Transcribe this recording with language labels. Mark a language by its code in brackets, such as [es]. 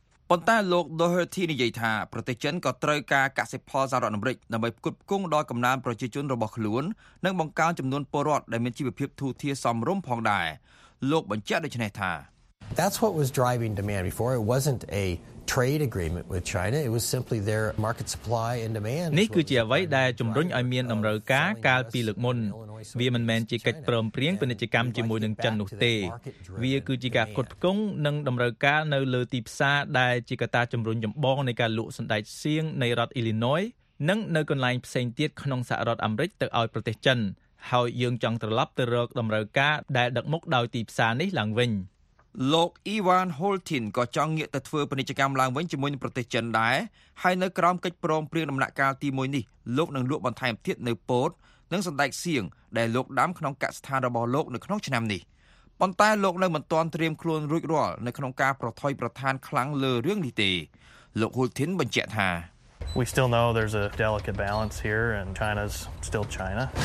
[km] ប៉ុន្តែលោក Doherty និយាយថាប្រទេសចិនក៏ត្រូវការកសិផលសហរដ្ឋអាមេរិកដើម្បីផ្គត់ផ្គង់ដល់កម្ពុជាប្រជាជនរបស់ខ្លួននិងបង្កើនចំនួនពលរដ្ឋដែលមានជីវភាពធូរធារសមរម្យផងដែរលោកបញ្ជាក់ដូចនេះថា [en] That's what was driving demand before it wasn't aTrade agreement with China it was simply their market supply and demand [km] នេះគឺជាអ្វីដែលជំរុញឲ្យមានតម្រូវការកាលពីលើកមុនវាមិនមែនជាកិច្ចព្រមព្រៀងពាណិជ្ជកម្មជាមួយនឹងចិននោះទេវាគឺជាការផ្គត់ផ្គង់និងតម្រូវការនៅលើទីផ្សារដែលជាកត្តាជំរុញចម្បងនៃការលក់សណ្ដែកសៀងនៅរដ្ឋ Illinois និងនៅកន្លែងផ្សេងទៀតក្នុងសហរដ្ឋអាមេរិកទៅឲ្យប្រទេសចិនហើយយើងចង់ត្រឡប់ទៅរកតម្រូវការដែលដឹកមុខដោយទីផ្សារនេះឡើងវិញ លោក Ivan Holtin ក៏ចង់ងាកទៅធ្វើពាណិជ្ជកម្មឡើងវិញជាមួយនឹងប្រទេសចិនដែរហើយនៅក្រោមកិច្ចព្រមព្រៀងដំណាក់កាលទី1នេះលោកនឹងលក់បន្ថែមទៀតនៅពោតនិងសណ្ដែកសៀងដែលលោកដាំក្នុងកសិដ្ឋានរបស់លោកនៅក្នុងឆ្នាំនេះប៉ុន្តែលោកនៅមិនទាន់ត្រៀមខ្លួនរួចរាល់នៅក្នុងការប្រថុយប្រឋានខ្លាំងលើរឿងនេះទេលោក Holtin បញ្ជាក់ថា [en] We still know there's a delicate balance here and China's still China.